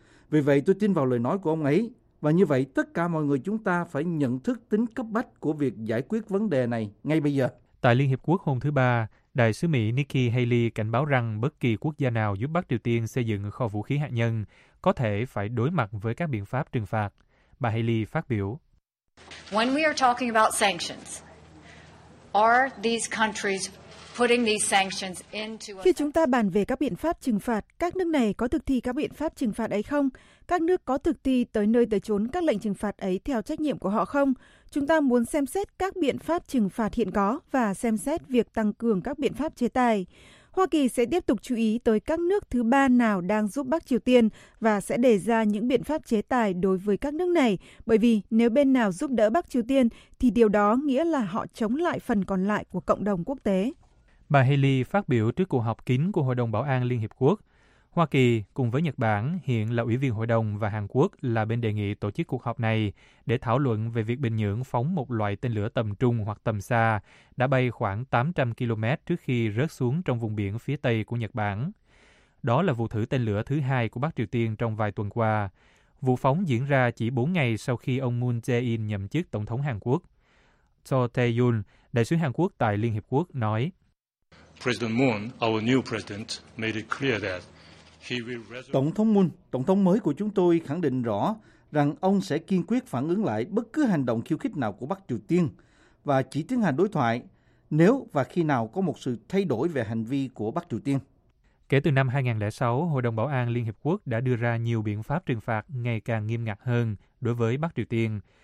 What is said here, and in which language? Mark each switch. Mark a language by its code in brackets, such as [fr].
[vi] Vì vậy tôi tin vào lời nói của ông ấy, và như vậy tất cả mọi người chúng ta phải nhận thức tính cấp bách của việc giải quyết vấn đề này ngay bây giờ. Tại Liên Hiệp Quốc hôm thứ Ba, Đại sứ Mỹ Nikki Haley cảnh báo rằng bất kỳ quốc gia nào giúp Bắc Triều Tiên xây dựng kho vũ khí hạt nhân có thể phải đối mặt với các biện pháp trừng phạt. Bà Haley phát biểu. [en] When we are talking about sanctions, are these countries putting these sanctions into... [vi] Khi chúng ta bàn về các biện pháp trừng phạt, các nước này có thực thi các biện pháp trừng phạt ấy không? Các nước có thực thi tới nơi tới chốn các lệnh trừng phạt ấy theo trách nhiệm của họ không? Chúng ta muốn xem xét các biện pháp trừng phạt hiện có và xem xét việc tăng cường các biện pháp chế tài. Hoa Kỳ sẽ tiếp tục chú ý tới các nước thứ ba nào đang giúp Bắc Triều Tiên và sẽ đề ra những biện pháp chế tài đối với các nước này, bởi vì nếu bên nào giúp đỡ Bắc Triều Tiên thì điều đó nghĩa là họ chống lại phần còn lại của cộng đồng quốc tế. Bà Haley phát biểu trước cuộc họp kín của Hội đồng Bảo an Liên Hiệp Quốc. Hoa Kỳ cùng với Nhật Bản hiện là ủy viên hội đồng và Hàn Quốc là bên đề nghị tổ chức cuộc họp này để thảo luận về việc Bình Nhưỡng phóng một loại tên lửa tầm trung hoặc tầm xa đã bay khoảng 800 km trước khi rớt xuống trong vùng biển phía tây của Nhật Bản. Đó là vụ thử tên lửa thứ hai của Bắc Triều Tiên trong vài tuần qua. Vụ phóng diễn ra chỉ 4 ngày sau khi ông Moon Jae-in nhậm chức Tổng thống Hàn Quốc. Cho Tae-yoon, đại sứ Hàn Quốc tại Liên Hiệp Quốc nói, [en] President Moon, our new president, made it clear that he will resolve... [vi] Tổng thống Moon, tổng thống mới của chúng tôi khẳng định rõ rằng ông sẽ kiên quyết phản ứng lại bất cứ hành động khiêu khích nào của Bắc Triều Tiên và chỉ tiến hành đối thoại nếu và khi nào có một sự thay đổi về hành vi của Bắc Triều Tiên. Kể từ năm 2006, Hội đồng Bảo an Liên Hiệp Quốc đã đưa ra nhiều biện pháp trừng phạt ngày càng nghiêm ngặt hơn đối với Bắc Triều Tiên.